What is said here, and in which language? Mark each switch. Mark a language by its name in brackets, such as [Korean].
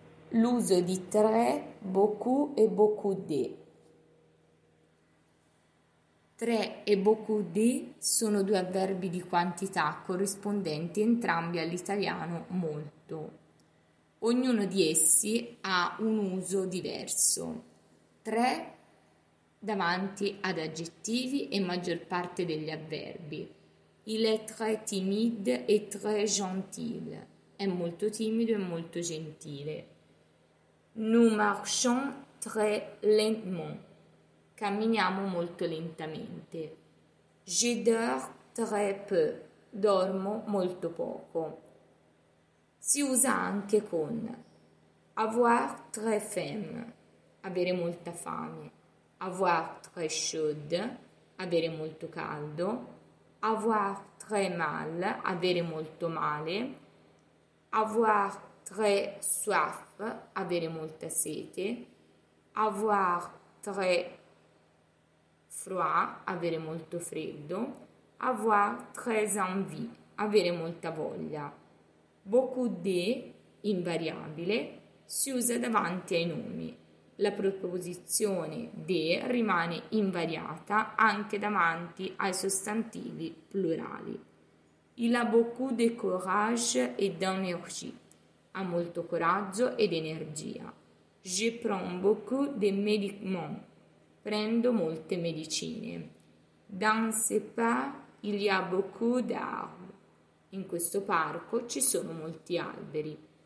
[Italian] L'uso di tre, beaucoup e beaucoup de. Tre e beaucoup de sono due avverbi di quantità corrispondenti entrambi all'italiano molto. Ognuno di essi ha un uso diverso. Tre davanti ad aggettivi e maggior parte degli avverbi. [French] Il est très timide et très gentil. [Italian] È molto timido e molto gentile. [French] Nous marchons très lentement. [Italian] Camminiamo molto lentamente. [French] Je dors très peu. [Italian] Dormo molto poco. Si usa anche con avoir très faim, avere molta fame, avoir très chaud, avere molto caldo, avoir très mal, avere molto male, avoir très soif, avere molta sete, avoir très froid, avere molto freddo, avoir très envie, avere molta voglia. Beaucoup de, invariabile, si usa davanti ai nomi. La proposizione de rimane invariata anche davanti ai sostantivi plurali. [French] Il a beaucoup de courage et d'énergie. [Italian] Ha molto coraggio ed energia. [French] Je prends beaucoup de médicaments. [Italian] Prendo molte medicine. [French] Dans ce parc, il y a beaucoup d'arbres. [Italian] In questo parco ci sono molti alberi.